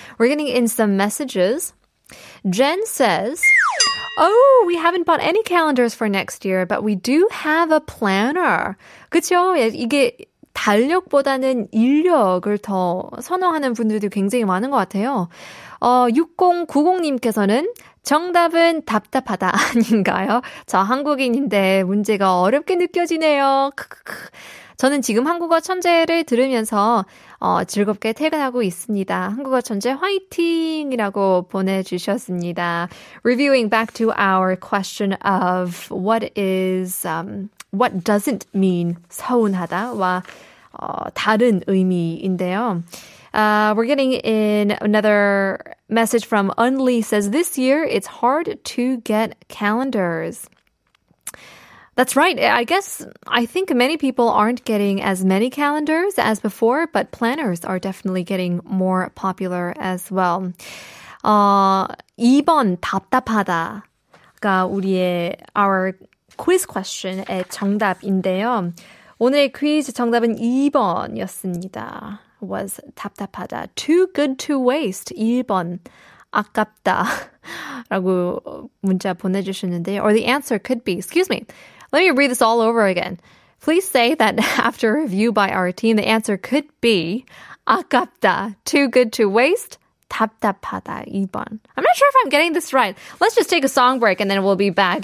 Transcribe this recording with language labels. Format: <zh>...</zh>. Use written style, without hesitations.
<en>We're getting in some messages. Jen says, Oh, we haven't bought any calendars for next year, but we do have a planner.</en> <ko>그렇죠? 이게 달력보다는 인력을 더 선호하는 분들도 굉장히 많은 것 같아요. 6090님께서는 정답은 답답하다 아닌가요? 저 한국인인데 문제가 어렵게 느껴지네요. 저는 지금 한국어 천재를 들으면서 즐겁게 퇴근하고 있습니다. 한국어 천재 화이팅이라고 보내주셨습니다.</ko> <en>Reviewing back to our question of what is, what doesn't mean</en> <ko>서운하다와 다른 의미인데요.</ko> <en>We're getting in another message from Unli says, this year it's hard to get calendars. That's right. I guess I think many people aren't getting as many calendars as before, but planners are definitely getting more popular as well.</en> <ko>2번 답답하다가 우리의</ko> <en>our quiz question</en> <ko>의 정답인데요. 오늘의 퀴즈 정답은 2번이었습니다.</ko> <en>Was 답답하다. Too good to waste.</en> <ko>1번 아깝다. 라고 문자 보내주셨는데요.</ko> <en>Or the answer could be, excuse me, let me read this all over again. Please say that after review by our team, the answer could be 아깝다. Too good to waste. 답답하다. 2번. I'm not sure if I'm getting this right. Let's just take a song break and then we'll be back.</en>